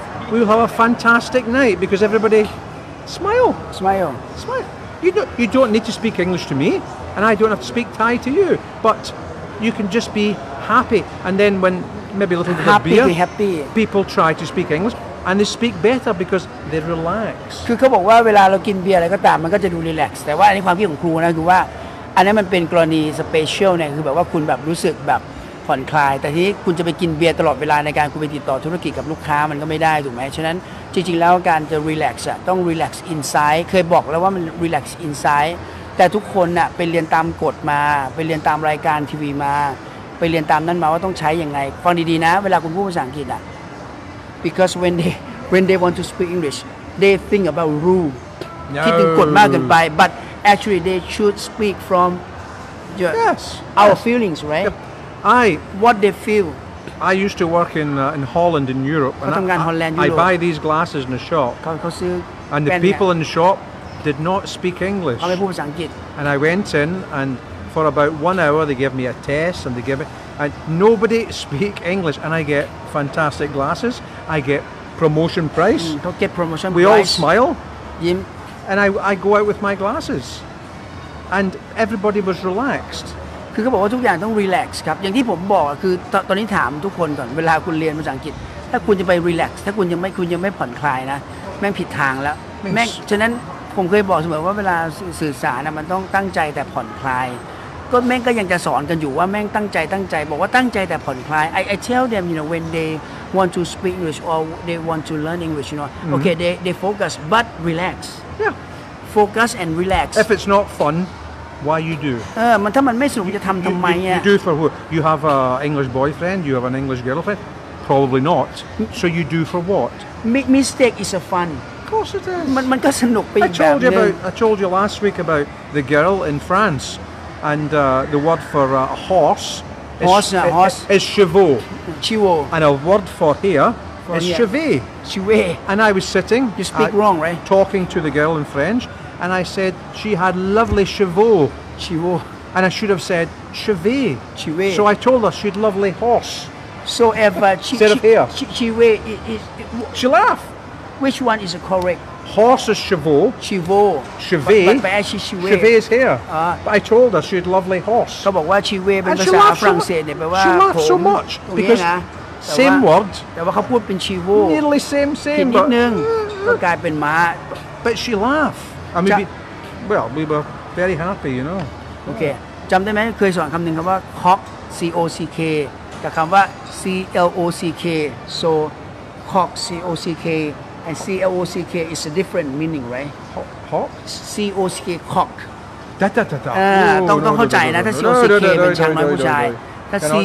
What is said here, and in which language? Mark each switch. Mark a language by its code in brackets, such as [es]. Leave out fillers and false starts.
[en] We will have a fantastic night. Because everybody... Smile. You don't need to speak English to me. And I don't have to speak Thai to you. But you can just be... happy and then when maybe a little bit happy, of beer happy. People try to speak English and they speak better because they relax [th] คือเขาบอกว่าเวลาเรากินเบียร์อะไรก็ตามมันก็จะดูรีแลกซ์แต่ว่าอันนี้ความคิดของครูนะคือว่าอันนี้มันเป็นกรณีสเปเชียลเนี่ยคือแบบว่าคุณแบบรู้สึกแบบ ผ่อนคลายแต่ทีนี้คุณจะไปกินเบียร์ตลอดเวลาในการคุณไปติดต่อธุรกิจกับลูกค้ามันก็ไม่ได้ถูกไหมฉะนั้นจริงๆแล้วการจะรีแลกซ์อ่ะต้องรีแลกซ์อินไซด์เคยบอกแล้วว่ามันรีแลกซ์อินไซด์แต่ทุกคนน่ะไปเรียนตามกฎมาไปเรียนตามรายการทีวีมาไปเรียนตามนั้นมาว่าต้องใช้ยังไงฟังดีๆนะเวลาคุณพูดภาษาอังกฤษอ่ะ [en] because when they want to speak English they think about rule no. [th] คิดถึงกฎมากเกินไป [en] but actually they should speak from your, yes. our yes. feelings right yeah. I what they feel I used to work in Holland in Europe [th] เขาทำงานฮอลแลนด์ยุโรป [en] I buy these glasses in a shop [th] เขาซื้อ [en] and the people in the shop did not speak English [th] เขาไม่พูดภาษาอังกฤษ [en] and I went in andFor about 1 hour, they give me a test, and they give it, and nobody speak English, and I get fantastic glasses. I get promotion price. Don't get promotion we price. We all smile. Yim. And I go out with my glasses, and everybody was relaxed. [th] อเขาบอกว่าทุกอย่างต้องรีแลกซ์ครับอย่างที่ผมบอกคือตอนนี้ถามทุกคนก่อนเวลาคุณเรียนภาษาอังกฤษถ้าคุณจะไปรีแลกซ์ถ้าคุณยังไม่ผ่อนคลายนะแม่งผิดทางแล้วแม่งฉะนั้นผมเคยบอกเสมอว่าเวลาสื่อสารนะมันต้องตั้งใจแต่ผ่อนคลายก็แม่งก็ยังจะสอนกันอยู่ว่าแม่งตั้งใจบอกว่าตั้งใจแต่ผ่อนคลาย [en] I tell them you know when they want to speak English or they want to learn English you know mm-hmm. okay they focus but relax yeah focus and relax if it's not fun why you do [th] มันถ้ามันไม่สนุกจะทำทำไมอ่ะ [en] you do for who you have a English boyfriend you have an English girlfriend probably not so you do for what mistake is a fun of course it is [th] มันก็สนุกไปอีกแบบ [en] I told you last week about the girl in FranceAnd the word for a horse is chevaux. Chevaux. And a word for here is chevet. Chevet. And I was sitting. You speak wrong, right? Talking to the girl in French, and I said she had lovely chevaux. Chevaux. And I should have said chevet. Chevet. So I told her she'd lovely horse. So if instead of here, chevet is. She laughed. Which one is correct? Horse is chevaux. Chevaux. Chevet. But actually chevet. Chevet is here. But I told her she had lovely horse. [th] เขาบอกว่า chevet เป็นภาษาฝรั่งเศสเนี่ยแปลว่า [en] She laughed so much. Because same word. [th] แต่ว่าเขาพูดเป็น chevaux. [en] Nearly same. [th] ผิดนิดนึงก็กลายเป็นม้า [en] But she laughed. I mean, well, we were very happy, you know. Okay. [th] จำได้ไหมเคยสอนคำหนึ่งคำว่า cock, C-O-C-K. กับคำว่า C-L-O-C-K. [en] So, cock, C-O-C-K. And C-O-C-K is a different meaning, right? Hawk? C-O-C-K, cock. Da-da-da-da. [th] ต้องเข้าใจนะถ้า C-O-C-K เป็นช้างน้อยผู้ชายถ้า